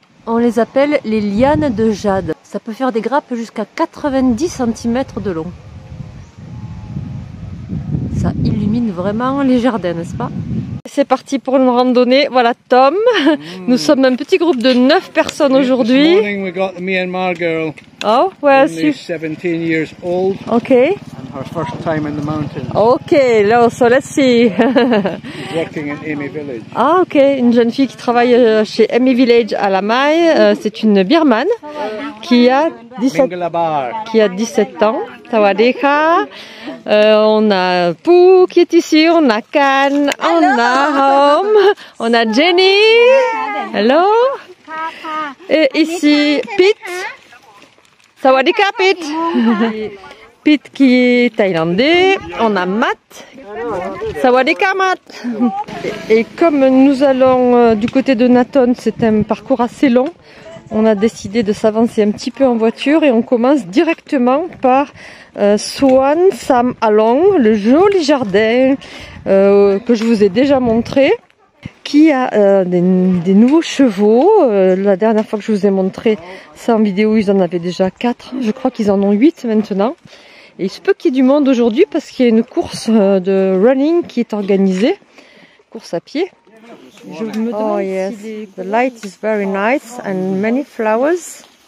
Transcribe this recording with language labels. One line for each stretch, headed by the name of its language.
French: On les appelle les lianes de jade. Ça peut faire des grappes jusqu'à 90 cm de long. Ça illumine vraiment les jardins, n'est-ce pas? C'est parti pour une randonnée. Voilà Tom. Mmh. Nous sommes un petit groupe de 9 personnes aujourd'hui.
English: This morning we got the Myanmar girl. Oh, where is she? 17 years old. Okay. And her first time in the mountains. Okay, so let's see. She's working in Amy Village. Ah, okay.
French: Une jeune fille qui travaille chez Amy Village à La Mai. C'est une birmane qui a 17 ans. Tawadeka. On a Pou qui est ici. On a Khan. On a Home. On a Jenny. Hello. Et ici, Pete. Sawadika, Pete. Pete qui est thaïlandais. On a Matt. Sawadika, Matt. Et comme nous allons du côté de Naton, c'est un parcours assez long, on a décidé de s'avancer un petit peu en voiture et on commence directement par Suan Sam Anong, le joli jardin que je vous ai déjà montré, qui a des nouveaux chevaux. La dernière fois que je vous ai montré ça en vidéo, ils en avaient déjà 4. Je crois qu'ils en ont 8 maintenant. Et il se peut qu'il y ait du monde aujourd'hui parce qu'il y a une course de running qui est organisée. Course à pied. Je me demande si les...
English: The light is very nice and many flowers.